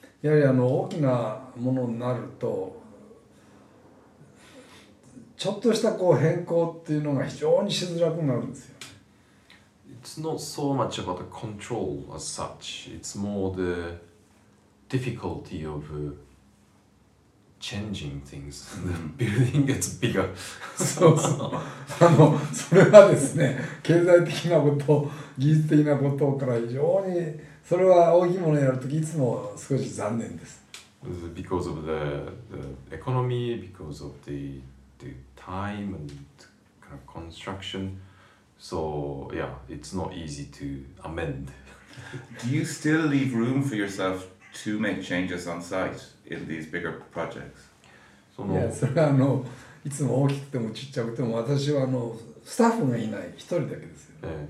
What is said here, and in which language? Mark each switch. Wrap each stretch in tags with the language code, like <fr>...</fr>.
<ja>その自分でコントロールが効かないんじゃないか。いや、まあそれはそうです。あの、コントロールよりはですね、やはりあの、大きなものになると、</ja> <en>It's not so much about the control as such. It's more the difficulty of changing things. The building gets bigger.</en> <ja>そうそう。あの、それはですね、経済的なこと、技術的なことから非常に、それは大きいものをやるときいつも少し残念です。</ja> <en>Because of the economy, because of the time and kind of construction, so yeah, it's not easy to amend. Do you still leave room for yourself to make changes on site in these bigger projects?</en> <ja>その、yeah, それはあの、いつも大きくてもちっちゃくても私はあの、スタッフがいない、一人だけですよ。</ja>